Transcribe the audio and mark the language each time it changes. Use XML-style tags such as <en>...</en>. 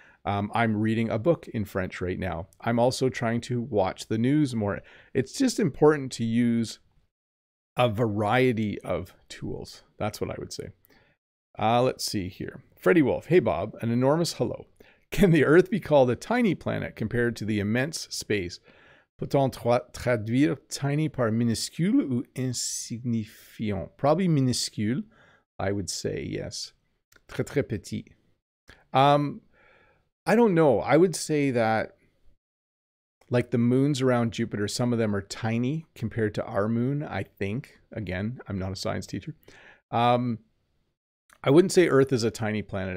<en>I'm reading a book in French right now. I'm also trying to watch the news more. It's just important to use a variety of tools. That's what I would say. Let's see here. Freddie Wolf. Hey Bob, an enormous hello. Can the Earth be called a tiny planet compared to the immense space?</en> <fr>Peut-on traduire tiny par minuscule ou insignifiant?</fr> <en>Probably minuscule, I would say, yes.</en> <fr>Très, très petit.</fr> <en>I don't know. I would say that like the moons around Jupiter, some of them are tiny compared to our moon, I think. Again, I'm not a science teacher. I wouldn't say Earth is a tiny planet.</en>